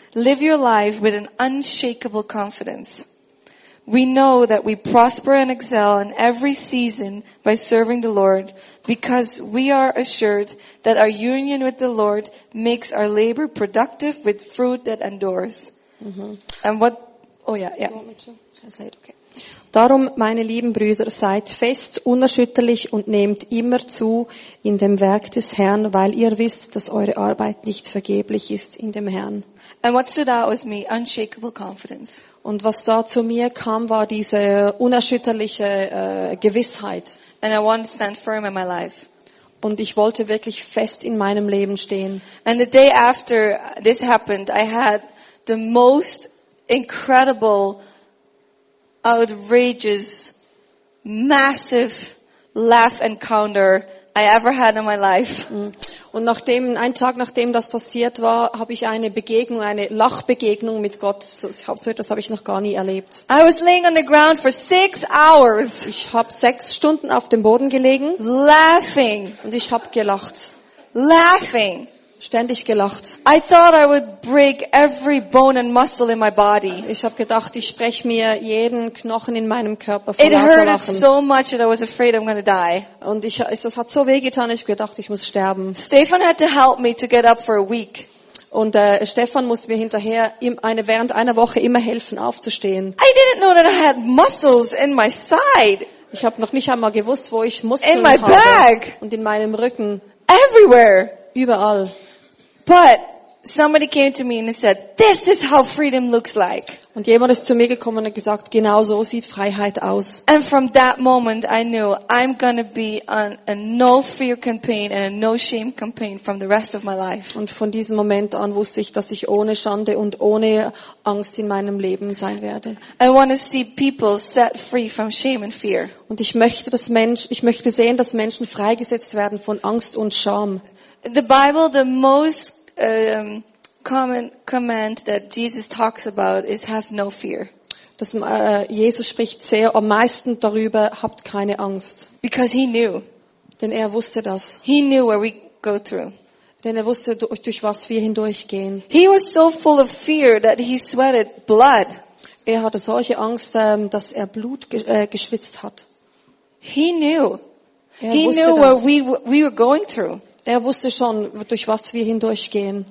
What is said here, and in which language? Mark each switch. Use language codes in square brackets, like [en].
[en] Live your life with an unshakable confidence. We know that we prosper and excel in every season by serving the Lord, because we are assured that our union with the Lord makes our labor productive with fruit that endures. Mm-hmm. And what? Oh yeah, yeah. Okay. [de] Darum, meine lieben Brüder, seid fest, unerschütterlich und nehmt immer zu in dem Werk des Herrn, weil ihr wisst, dass eure Arbeit nicht vergeblich ist in dem Herrn. [en] And what stood out was me, unshakable confidence. [de] Und was da zu mir kam, war diese unerschütterliche Gewissheit. [en] And I want to stand firm in my life. [de] Und ich wollte wirklich fest in meinem Leben stehen. [en] And the day after this happened, I had the most incredible, outrageous, massive laugh encounter I ever had in my life. [de] Und nachdem, einen Tag nachdem das passiert war, habe ich eine Begegnung, eine Lachbegegnung mit Gott. Das habe ich noch gar nie erlebt. [en] I was laying on the ground for 6 hours. [de] Ich habe 6 Stunden auf dem Boden gelegen. [en] Laughing. [de] Und ich habe gelacht. [en] Laughing. [de] Ständig gelacht. [en] I thought I would break every bone and muscle in my body. [de] Ich habe gedacht, ich spreche mir jeden Knochen in meinem Körper vor lauter Lachen. [en] It hurt so much that I was afraid I'm going to die. [de] Und das hat so weh getan, ich gedacht, ich muss sterben. [en] Stefan had to help me to get up for a week. [de] Und Stefan musste mir hinterher während einer Woche immer helfen aufzustehen. [en] I didn't know that I had muscles in my side. [de] Ich habe noch nicht einmal gewusst, wo ich Muskeln [en] in my [de] habe. [en] Back. [de] Und in meinem Rücken. [en] Everywhere. [de] Überall. [en] But somebody came to me and said, "This is how freedom looks like." [de] Und jemand ist zu mir gekommen und hat gesagt, genau so sieht Freiheit aus. [en] And from that moment, I knew I'm gonna be on a no fear campaign and a no shame campaign from the rest of my life. [de] Und von diesem Moment an wusste ich, dass ich ohne Schande und ohne Angst in meinem Leben sein werde. [en] I want to see people set free from shame and fear. [de] Und ich möchte sehen, dass Menschen freigesetzt werden von Angst und Scham. [en] The Bible, the most common command that Jesus talks about is have no fear. [de] Jesus spricht sehr am meisten darüber, habt keine Angst. [en] Because he knew. [de] Denn er wusste das. [en] He knew where we go through. [de] Denn er wusste, durch was wir hindurchgehen. [en] He was so full of fear that he sweated blood. [de] Er hatte solche Angst, dass er Blut geschwitzt hat. [en] He knew. [de] Er wusste, [en] he knew where we were going through. [de] Er wusste schon, durch was wir hindurchgehen.